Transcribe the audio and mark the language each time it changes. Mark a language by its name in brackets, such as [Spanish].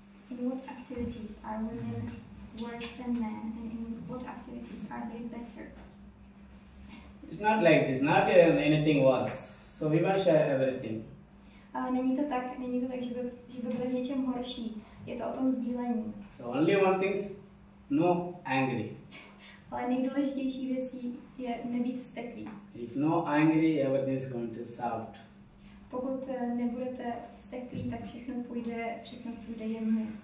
[English] In what activities are women worse than men? And in what activities are they better? It's not like this. Not anything worse. So we must share everything. [Czech] Není to tak, že by byly v něčem horší. Je to o tom sdílení. [English] So only one thing is no angry. [Czech] Ale nejdůležitější věcí je nebýt vzteklý. [English] If no angry, everything is going to soft. [Czech] Pokud nebudete vzteklý, tak všechno půjde jemně.